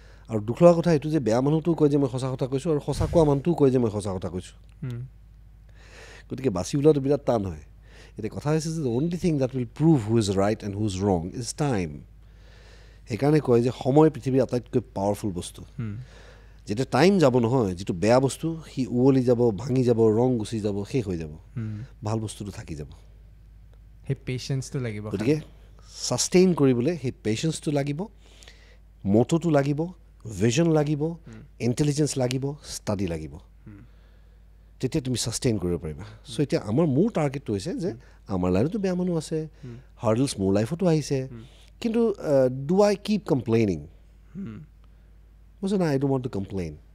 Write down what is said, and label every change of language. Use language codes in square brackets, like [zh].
[as] আৰু দুখ লগা কথা এইটো যে বেয়া মানুহটো কয় যে মই সঁচা কথা কৈছোঁ আৰু সঁচা কোৱা মানুহটোও কয় যে মই সঁচা কথা কৈছোঁ, গতিকে বাছি ওলোৱাটো বিৰাট টান হয়। এতিয়া কথা হৈছে যে [en] Only thing that will prove who is right and who is wrong is time. [as] সেইকাৰণে কয় যে সময় পৃথিৱীৰ আটাইতকৈ পাৱাৰফুল বস্তু। যেতিয়া টাইম যাব নহয়, যিটো বেয়া বস্তু সি উৱলি যাব, ভাঙি যাব, ৰং গুচি যাব, শেষ হৈ যাব, ভাল বস্তুটো থাকি যাব, সেই পেচেঞ্চটো লাগিব। গতিকে ছাষ্টেইন কৰিবলৈ সেই পেচেঞ্চটো লাগিব, মটোটো লাগিব, ভিজন লাগিব, ইণ্টেলিজেঞ্চ লাগিব, ষ্টাডি লাগিব, তেতিয়া তুমি ছাষ্টেইন কৰিব পাৰিবা। চ' এতিয়া আমাৰ মোৰ টাৰ্গেটটো হৈছে যে আমাৰ লাইনতো বেয়া মানুহ আছে, হাৰ্ডলছ মোৰ লাইফতো আহিছে, কিন্তু [en] do I keep complaining, [bn] বুঝছো না, [en] I dot want to complain.